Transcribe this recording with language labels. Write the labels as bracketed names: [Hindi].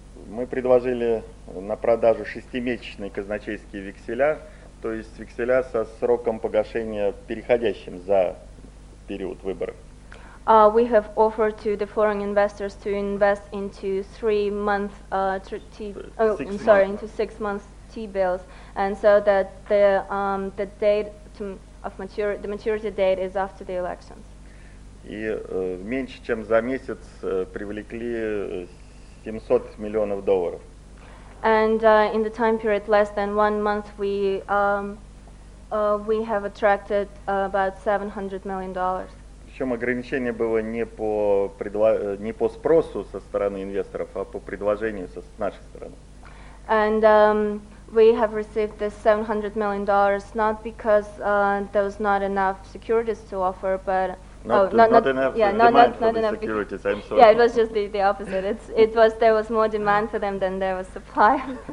[Russian] Мы предложили на продажу 6-месячные казначейские векселя, то есть векселя со сроком погашения, переходящим за период выборов. [English] We have offered to the foreign investors to invest into 3 months into 6 months T-bills, and so that the date of the maturity date is after the election. [Russian] И меньше чем за месяц привлекли 700 миллионов долларов. [English] And in the time period less than 1 month, we have attracted about $700 million. [Russian] Причем ограничение было не по спросу со стороны инвесторов, а по предложению с нашей стороны. [English] And we have received this $700 million not because there was not enough securities to offer, but Not enough. Yeah, it was just the opposite. There was more demand for them than there was supply.